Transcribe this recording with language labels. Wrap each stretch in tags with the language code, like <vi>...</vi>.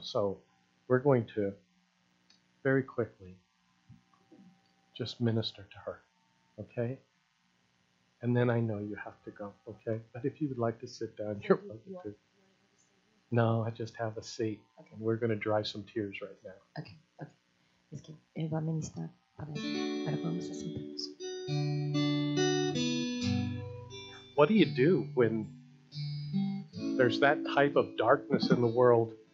<en>So we're going to very quickly just minister to her, okay? And then I know you have to go, okay? But if you would like to sit down, you're welcome to. No, I just have a seat. Okay. And we're going to dry some tears right now. Okay.</en> <es>Es que él va a ministrar para vamos a sentarnos.</es> <en>What do you do when there's that type of darkness in the world?</en>